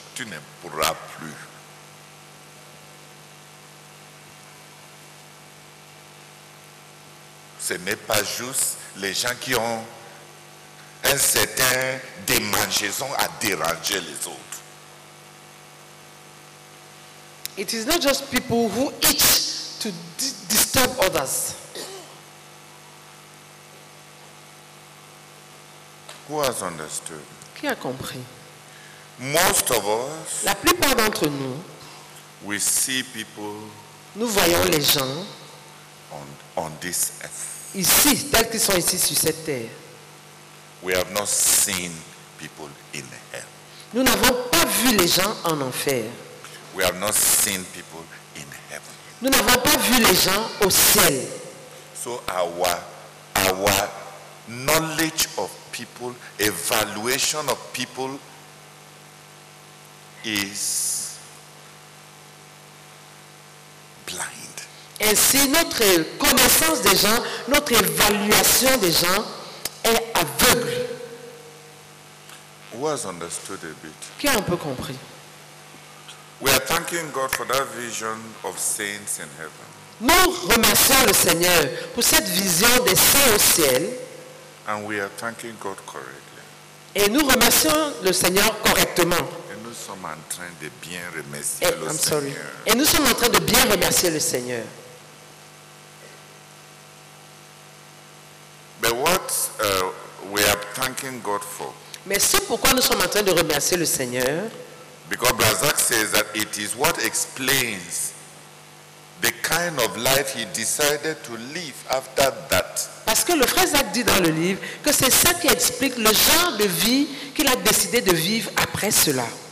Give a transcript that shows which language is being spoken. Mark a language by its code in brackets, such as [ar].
[fr] Tu ne pourras plus. Ce n'est pas juste les gens qui ont un certain démangeaison à déranger les autres. [en] It is not just people who itch to disturb others. Who has understood? [fr] Qui a compris? [en] Most of us. [fr] La plupart d'entre nous. [en] We see people. [fr] Nous voyons les gens. [en] On this earth. [fr] Ici, tels qu'ils sont ici sur cette terre. [en] We have not seen people in hell. [fr] Nous n'avons pas vu les gens en enfer. [en] We have not seen people in heaven. [fr] Nous n'avons pas vu les gens au ciel. [en] So our our knowledge of people, evaluation of people is blind. [fr] Ainsi, notre connaissance des gens, notre évaluation des gens est aveugle. [en] Who has understood a bit? [fr] Qui a un peu compris? [en] We are thanking God for that vision of saints in heaven. [fr] Nous remercions le Seigneur pour cette vision des saints au ciel. [en] And we are thanking God correctly. [fr] Et nous remercions le Seigneur correctement. Et nous sommes en train de bien remercier le Seigneur. Et nous sommes en train de bien remercier le Seigneur. [en] But what we are thanking God for? [fr] Mais ce pourquoi nous sommes en train de remercier le Seigneur. [en] Because Brazak says that it is what explains the kind of life he decided to live after that. [fr] Parce que le frère Zach dit dans le livre que c'est ça qui explique le genre de vie qu'il a décidé de vivre après cela.